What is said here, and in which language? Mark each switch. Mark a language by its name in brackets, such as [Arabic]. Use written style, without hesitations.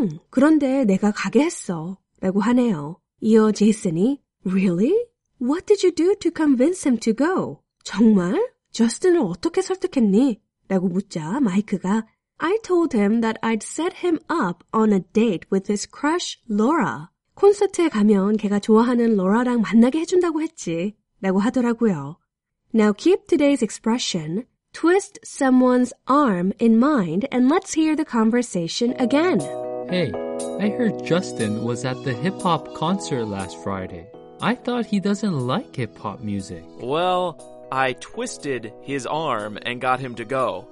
[Korean] 그런데 내가 가게 했어 라고 하네요. 이어 제이슨이 [English] Really? What did you do to convince him to go? [Korean] 정말? Justin을 어떻게 설득했니? 라고 묻자 마이크가 [English] I told him that I'd set him up on a date with his crush, Laura. [Korean] 콘서트에 가면 걔가 좋아하는 로라랑 만나게 해준다고 했지. 라고 하더라고요. [English] Now keep today's expression, twist someone's arm in mind and let's hear the conversation again. Hey, I heard Justin was at the hip-hop concert last Friday. I thought he doesn't like hip-hop music. Well, I twisted his arm and got him to go.